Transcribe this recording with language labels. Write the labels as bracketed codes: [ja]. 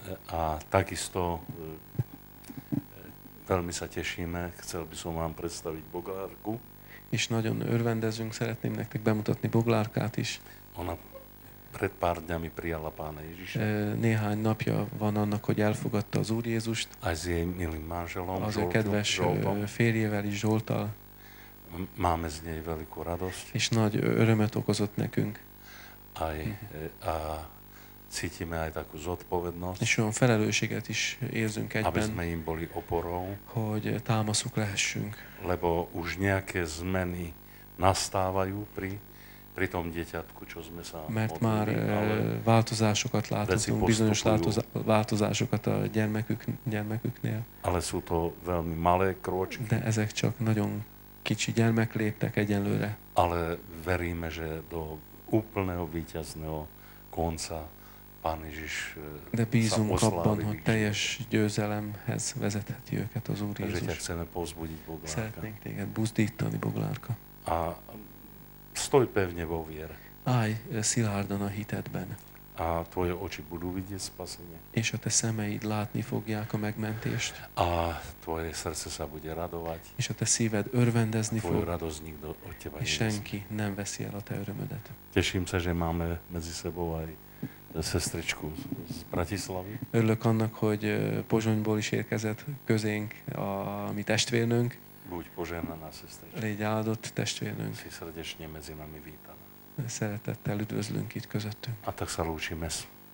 [sk] A takisto veľmi sa tešíme, chcel by som vám predstaviť Boglárku. [hu] És nagyon örvendezünk, szeretném nektek bemutatni Boglárkát is. [sk] Ona pred pár dňami prijala Pána Ježiša. [hu] Néhány napja van annak, hogy elfogadta az Úr Jézust. [sk] Aj s jej milým manželom, [hu] Az ő kedves férjével is, Zsoltal. [sk] Máme z nej veľkú radosť. [hu] És nagy örömet okozott nekünk. [sk] Aj a cítime aj takú zodpovednosť. [hu] És olyan felelősséget is érzünk egyben. [sk] Aby sme im boli oporou. [hu] Hogy támaszuk lehessünk. [sk] Lebo už nejaké zmeny nastávajú pri tom dieťatku, čo sme sa modlili. [hu] Mert már változásokat láthatunk, bizonyos változásokat a gyermeküknél. [sk] Ale sú to veľmi malé kročky. [hu] De ezek csak nagyon kicsi gyermek léptek egyenlőre. [sk] Ale veríme, že do úplného víťazného konca Pán Ježiš [hu] de bízunk abban, hogy teljes győzelemhez vezetheti őket az Úr Jézus. [sk] Chceme pozbudiť Boglárka. [hu] Szeretnénk téged buzdítani, Boglárka. [sk] A stoj pevne vo viere. [hu] Aj szilárdan a hitedben. [sk] A tvoje oči budú vidieť spasenie. [hu] És a te szemeid látni fogják a megmentést. [sk] A tvoje srdce sa bude radovať. [hu] És a te szíved örvendezni fog. [sk] Tvoju radosť nikto od teba nevezme. [hu] Senki nem veszi el a te örömödet. [sk] Teším sa, že máme medzi sebou aj sestričku z Bratislavy. [hu] Örülök annak, hogy Pozsonyból is érkezett közénk a mi testvérnőnk. [sk] Buď požehnaná, sestrička. [hu] Légy áldott, testvérnőnk. [sk] Si srdečne medzi nami vítaná. [hu] Szeretettel üdvözlünk itt közöttünk. [sk] A tak sa lúčim es.